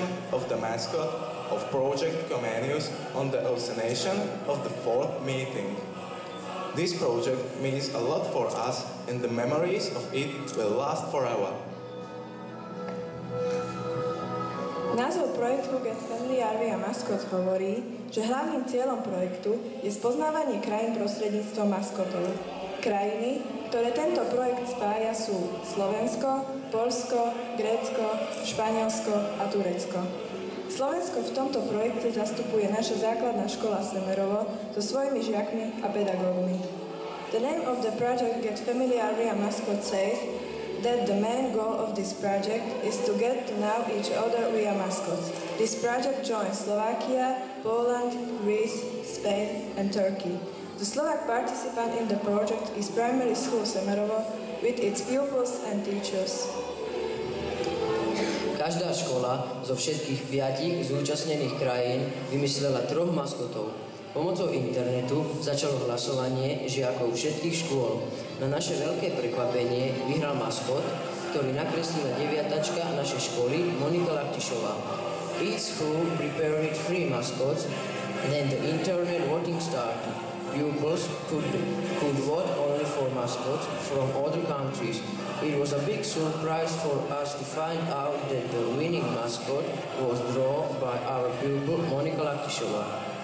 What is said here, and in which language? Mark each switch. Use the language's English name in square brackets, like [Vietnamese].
[English] Of the mascot of Project Comenius on the oscillation of the fourth meeting. This project means a lot for us and the memories of it will last forever. [Slovak] Názov projektu Get Friendly Arvia Mascot hovorí, že hlavným cieľom projektu je spoznávanie krajín prostredníctvom maskotov. Krajiny, ktoré tento projekt spája, sú Slovensko, Poľsko, Grécko, Španielsko a Turecko. Slovensko v tomto projekte zastupuje naša základná škola Semerovo so svojimi žiakmi a pedagógmi. [English] The name of the project Get Family Area Mascot says that the main goal of this project is to get to know each other via mascots. This project joins Slovakia, Poland, Greece, Spain and Turkey. The Slovak participant in the project is primary school Semerovo with its pupils and teachers. [Slovak] Každá škola zo všetkých piatich zúčastnených krajín vymyslela troch maskotov. Pomocou internetu začalo hlasovanie žiakov všetkých škôl. Na naše veľké prekvapenie vyhral maskot, ktorý nakreslila deviatačka našej školy Monika Laktišová. [English] Each school prepared three mascots, then the internet voting started. Pupils could vote only for mascots from other countries. It was a big surprise for us to find out that the winning mascot was drawn by our pupil Monika Laktišová.